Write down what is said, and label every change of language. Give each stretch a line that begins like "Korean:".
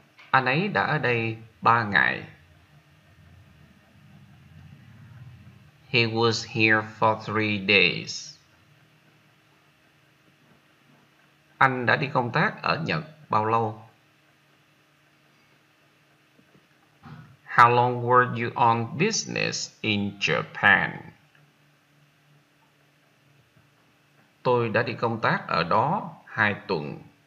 Vietnamese: Anh ấy đã ở đây 3 ngày.
English: He was here for 3 days.
Vietnamese: Anh đã đi công tác ở Nhật bao lâu?
English: How long were you on business in Japan?
Vietnamese: Tôi đã đi công tác ở đó 2 tuần.